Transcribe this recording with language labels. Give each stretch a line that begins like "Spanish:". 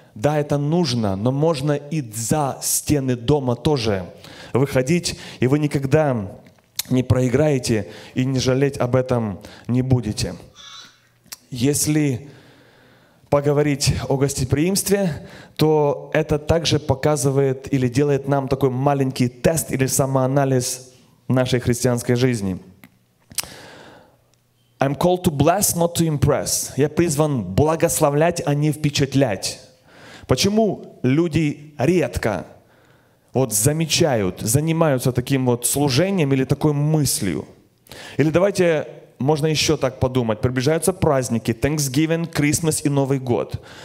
Russian: Да, это нужно, но можно и за стены дома тоже выходить, и вы никогда не проиграете и не жалеть об этом не будете. Если поговорить о гостеприимстве, то это также показывает или делает нам такой маленький тест или самоанализ нашей христианской жизни.
English: I'm called to bless, not to impress.
Russian: Я призван благословлять, а не впечатлять. Почему люди редко вот замечают, занимаются таким вот служением или такой мыслью? Или давайте можно еще так подумать. Приближаются праздники, Thanksgiving, Christmas и Новый год.